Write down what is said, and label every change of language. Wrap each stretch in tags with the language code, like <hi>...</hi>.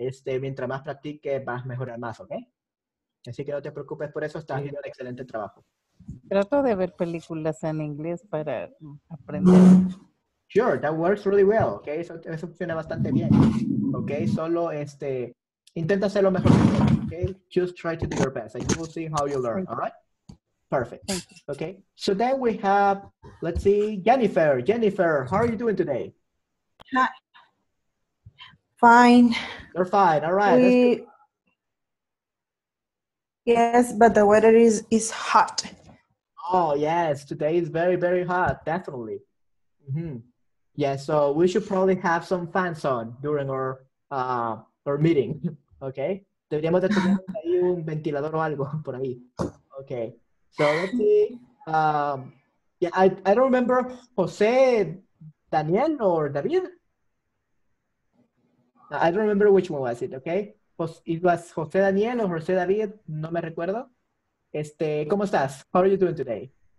<es>Mientras más practiques, vas a mejorar más, ¿ok? Así que no te preocupes por eso, estás haciendo un excelente trabajo. Trato de ver películas en inglés para aprender.</es> <en>Sure, that works really well, ¿ok?</en> <es>Eso funciona bastante bien. Ok, solo intenta hacer lo mejor que puedas.</es> <en>Okay, just try to do your best and you will see how you learn. All right? Perfect. Okay. So then we have, let's see, Jennifer. Jennifer, how are you doing today? Hi. Fine. You're fine. All right. Yes, but the weather is hot. Oh, yes. Today is very, very hot. Definitely. Mm-hmm. Yeah, so we should probably have some fans on during our meeting. Okay.</en> <es>Deberíamos de tener ahí un ventilador o algo por ahí.</es> <en>Okay. So let's see. I don't remember Jose, Daniel or David. I don't remember which one was it. Okay. It was Jose Daniel or Jose David.</en> <es>No me recuerdo. ¿Cómo estás?</es> <en>How are you doing today?</en>